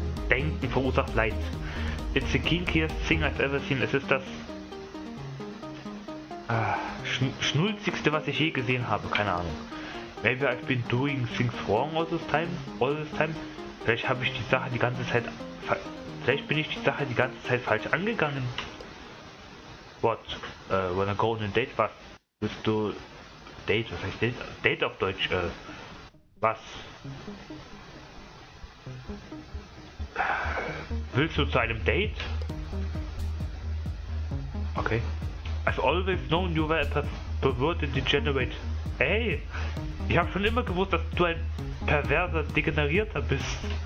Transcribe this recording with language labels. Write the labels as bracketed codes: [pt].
[de] Denken verursacht Leid. [en] It's the kinkiest thing I've ever seen. [de] Es ist das schnulzigste, was ich je gesehen habe. Keine Ahnung. [en] Maybe I've been doing things wrong all this time. [de] Vielleicht bin ich die Sache die ganze Zeit falsch angegangen. [en] What? Wanna go on a date? [de] Was? Willst du Date? Was heißt Date? Date auf Deutsch? Was? Willst du zu einem Date? [en] Okay. I've always known you were a perverted degenerate. Hey! [de] Ich habe schon immer gewusst, dass du ein perverser Degenerierter bist.